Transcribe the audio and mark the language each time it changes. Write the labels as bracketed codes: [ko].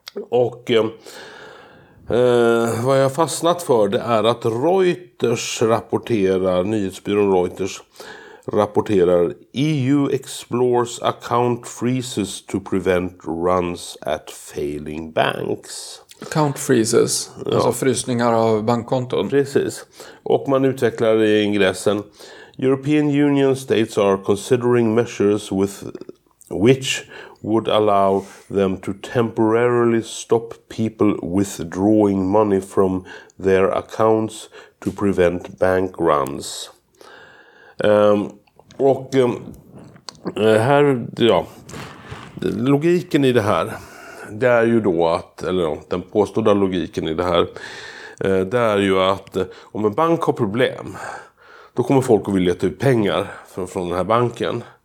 [sv] Och vad jag har fastnat för, det är att Reuters rapporterar, nyhetsbyrån Reuters rapporterar, [en] EU explores account freezes to prevent runs at failing banks. [sv] Account freezes, ja. Alltså frysningar av bankkonton. Precis, och man utvecklar i ingressen: [en] European Union states are considering measures with which would allow them to temporarily stop people withdrawing money from their accounts to prevent bank runs. [sv] Här, ja, logiken i det här, det är ju då att, eller den påstådda logiken i det här, det är ju att om en bank har problem, då kommer folk att vilja ta ut pengar från den här banken.